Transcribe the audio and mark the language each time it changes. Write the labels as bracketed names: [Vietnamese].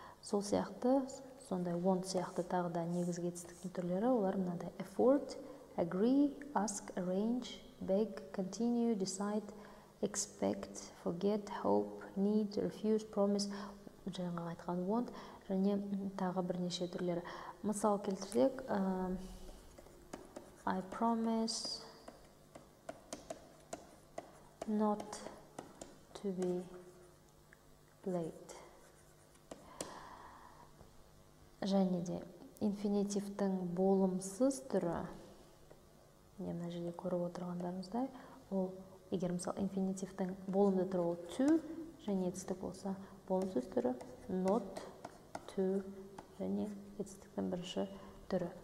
[Kazakh] Сол сияқты, сондай want сияқты тағы да негізге етістіктің түрлері, олар мынадай afford, agree, ask, arrange, beg, continue, decide, expect, forget, hope, need, refuse, promise, жаңа айтқан want, және тағы бірнеше түрлері. Мысал келтірсек, [English] I promise not to be late. [Kazakh] Және де инфинитивтің болымсыз түрі, не мына жерде көріп отырғандарыңыздай, ол егер мысалы инфинитивтің болымды түрі ол to және етістік болса, болымсыз түрі not to және етістіктің бірінші түрі.